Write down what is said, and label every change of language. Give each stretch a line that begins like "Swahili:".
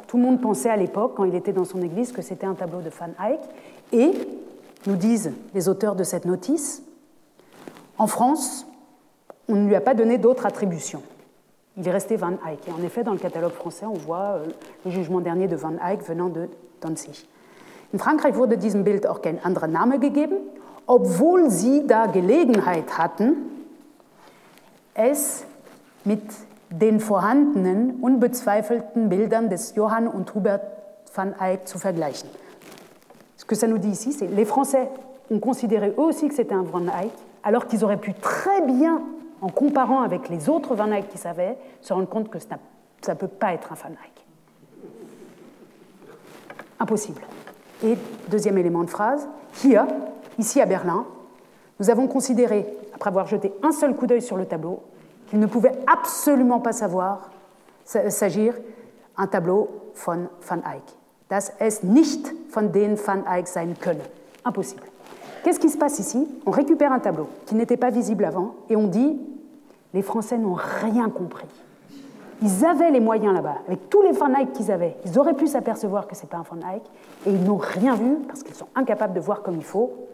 French: Tout le monde pensait à l'époque, quand il était dans son église, que c'était un tableau de Van Eyck. Et, nous disent les auteurs de cette notice, en France, on ne lui a pas donné d'autre attribution. Il est resté Van Eyck. Et en effet, dans le catalogue français, on voit le jugement dernier de Van Eyck venant de Danzig.
German: In Frankreich wurde diesem Bild auch kein anderer Name gegeben, obwohl sie da Gelegenheit hatten, es mit den vorhandenen, unbezweifelten Bildern des Johann und Hubert Van Eyck zu vergleichen.
French: Ce que ça nous dit ici, c'est que les Français ont considéré eux aussi que c'était un Van Eyck, alors qu'ils auraient pu très bien, en comparant avec les autres Van Eyck qu'ils avaient, se rendre compte que ça ne peut pas être un Van Eyck. Impossible. Et deuxième élément de phrase, hier, ici à Berlin, nous avons considéré, après avoir jeté un seul coup d'œil sur le tableau, qu'il ne pouvait absolument pas savoir s'agir d'un tableau von Van Eyck.
German: Das ist nicht von den Van Eyck sein können.
French: Impossible. Qu'est-ce qui se passe ici ? On récupère un tableau qui n'était pas visible avant et on dit « Les Français n'ont rien compris. » Ils avaient les moyens là-bas, avec tous les Van Eyck qu'ils avaient. Ils auraient pu s'apercevoir que ce n'est pas un Van Eyck et ils n'ont rien vu parce qu'ils sont incapables de voir comme il faut.